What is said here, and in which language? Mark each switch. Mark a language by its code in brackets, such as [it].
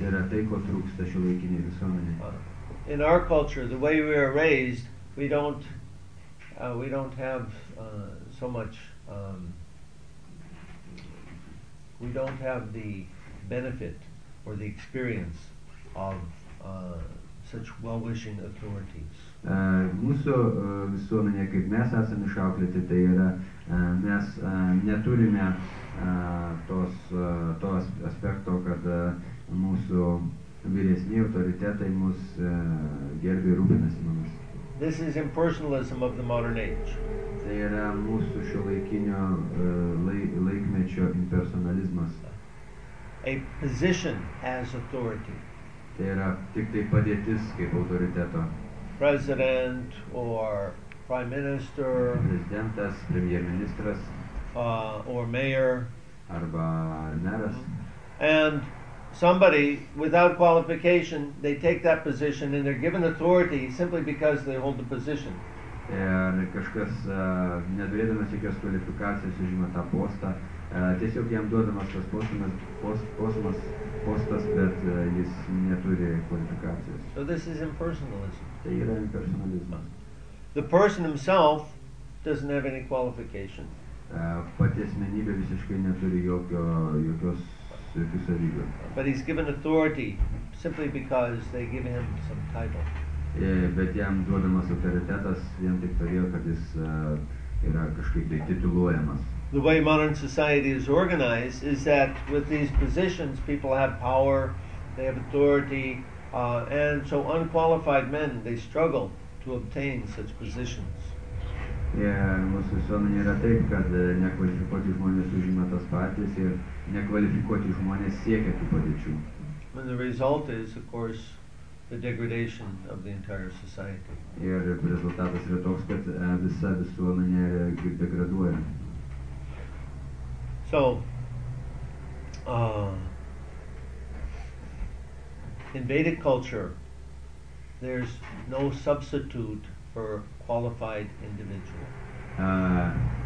[lt] Yra tai, ko trūksta šiuolaikinėje visuomenėje. [en] In our culture, the way we are raised, we don't have the benefit or the experience of such well-wishing authorities. [lt] Mūsų visuomenė, kaip mes esame išauklėti, tai yra mes neturime to aspekto, kad mūsų vyresni autoritetai mus gerbia ir rūpinasi mumis. [en] This is impersonalism of the modern age. [lt] Tai yra mūsų šiuolaikinio laikmečio impersonalizmas. [en] A position as authority. [lt] Tai yra tik tai padėtis kaip autoriteto. [en] President or prime minister. [lt] Prezidentas, premier ministras. [en] Or mayor. [lt] Arba meras. [en] And somebody without qualification, they take that position and they're given authority simply because they hold the position. [lt] Ir kažkas neturėdamas jokios kvalifikacijos užima tą postą, tiesiog jam duodamas tas postas, bet jis neturi kvalifikacijos. [en] So this is impersonalism. [lt] Tai yra impersonalizmas. [en] The person himself doesn't have any qualification. [lt] Pati asmenybė visiškai neturi jokių savybių. [en] But he's given authority simply because they give him some title. [lt] Bet jam duodamas autoritetas vien tik todėl, kad jis yra kažkaip tai tituluojamas. [en] The way modern society is organized is that with these positions people have power, they have authority, and so unqualified men, they struggle to obtain such positions. [lt] Ir mūsų visuomenė yra taip, kad nekvalifikuoti žmonės užima tas patys ir nekvalifikuoti žmonės siekia tų padėčių. [en] And the result is, of course, the degradation of the entire society. [lt] Ir rezultatas yra toks, kad visa visuomenė degraduoja. [en] So, in Vedic culture, there's no substitute for qualified individual.